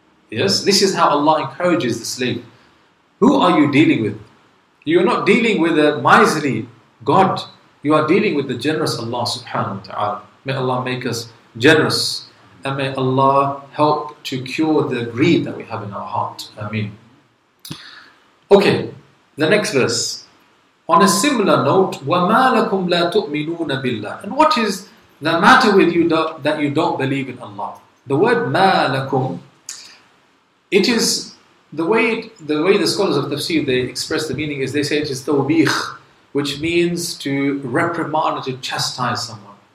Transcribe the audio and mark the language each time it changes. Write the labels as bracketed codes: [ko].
[en] Yes, this is how Allah encourages the slave. Who are you dealing with? You're not dealing with a miserly God. You are dealing with the generous Allah subhanahu wa ta'ala. May Allah make us generous. And may Allah help to cure the greed that we have in our heart. Ameen. Okay, the next verse. On a similar note, [ar] وَمَا لَكُمْ لَا تُؤْمِنُونَ بِاللَّهِ. [en] And what is the matter with you that you don't believe in Allah? The word [ar] مَا لَكُمْ, [en] it is the way the scholars of tafsir, they express the meaning is, they say it is [ar] توبيخ, [en] which means to reprimand or to chastise someone.